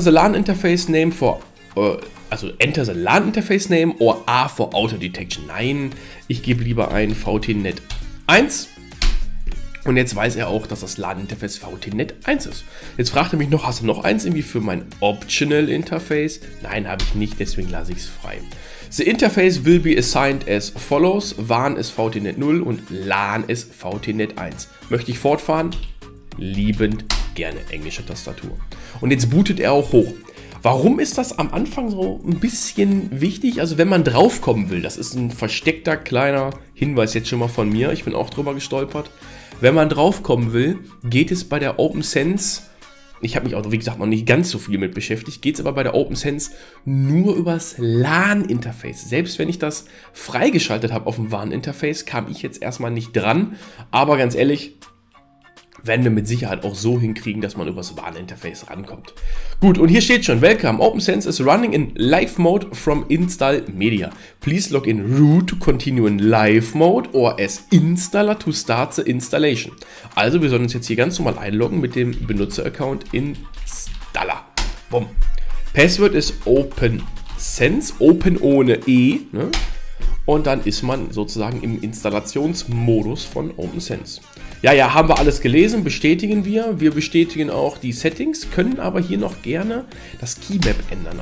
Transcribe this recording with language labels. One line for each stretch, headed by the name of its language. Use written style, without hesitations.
English: The LAN Interface Name for... Enter the LAN Interface Name or A for Auto Detection.
German: Nein, ich gebe lieber ein VTNet 1. Und jetzt weiß er auch, dass das LAN-Interface VTNet 1 ist. Jetzt fragt er mich noch, hast du noch eins irgendwie für mein Optional-Interface? Nein, habe ich nicht, deswegen lasse ich es frei.
English: The interface will be assigned as follows.
German: WAN ist VTNet 0 und LAN ist VTNet 1. Möchte ich fortfahren? Liebend gerne, englische Tastatur. Und jetzt bootet er auch hoch. Warum ist das am Anfang so ein bisschen wichtig? Also wenn man draufkommen will, das ist ein versteckter kleiner Hinweis jetzt schon mal von mir. Ich bin auch drüber gestolpert. Wenn man draufkommen will, geht es bei der OpenSense, ich habe mich auch, wie gesagt, noch nicht ganz so viel mit beschäftigt, geht es aber bei der OpenSense nur übers LAN-Interface. Selbst wenn ich das freigeschaltet habe auf dem WAN-Interface, kam ich jetzt erstmal nicht dran. Aber ganz ehrlich, werden wir mit Sicherheit auch so hinkriegen, dass man übers WAN-Interface rankommt. Gut, und hier steht schon,
English: Welcome, OpenSense is running in live mode from install media. Please log in root to continue in live mode or as installer to start the installation.
German: Also, wir sollen uns jetzt hier ganz normal einloggen mit dem Benutzer-Account installer. Boom. Password ist OpenSense, open ohne E, ne? Und dann ist man sozusagen im Installationsmodus von OpenSense. Ja, haben wir alles gelesen, bestätigen wir. Wir bestätigen auch die Settings, können aber hier noch gerne das Keymap ändern.